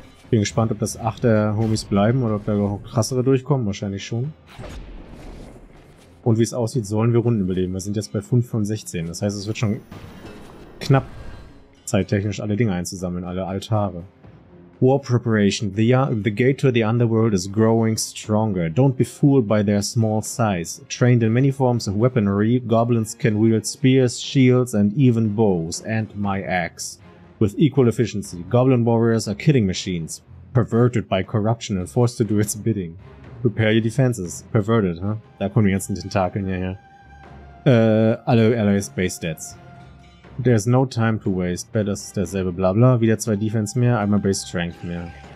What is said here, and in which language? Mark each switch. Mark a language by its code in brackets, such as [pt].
[de] Bin gespannt, ob das 8er Homies bleiben oder ob da noch krassere durchkommen. Wahrscheinlich schon. Und wie es aussieht, sollen wir Runden überleben. Wir sind jetzt bei 5 von 16. Das heißt, es wird schon knapp zeittechnisch alle Dinge einzusammeln, alle Altare. [en] War Preparation. The gate to the underworld is growing stronger. Don't be fooled by their small size. Trained in many forms of weaponry, goblins can wield spears, shields and even bows. And my axe. With equal efficiency. Goblin warriors are killing machines. Perverted by corruption and forced to do its bidding. Prepare your defenses. Perverted, huh? [de] Da kommen wir jetzt in den Tentakeln hierher. Alle Allies Base Stats. [en] There's no time to waste. [de] Bad, das ist derselbe Blabla. Wieder zwei Defense mehr, einmal Base Strength mehr.